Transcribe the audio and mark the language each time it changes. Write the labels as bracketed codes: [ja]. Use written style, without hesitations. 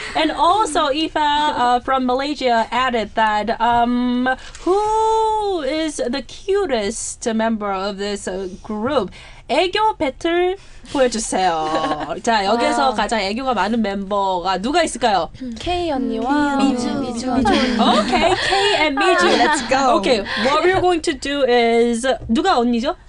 [en] And also Eva from Malaysia added that who is the cutest member of this group? [ko] 애교 배틀 보여주세요. 자, 여기서 가장 애교가 많은 멤버가 누가 있을까요? K 언니와 미주. [en] Okay, K and 미주. Let's go. Okay, what we're going to do is [ko] 누가 언니죠?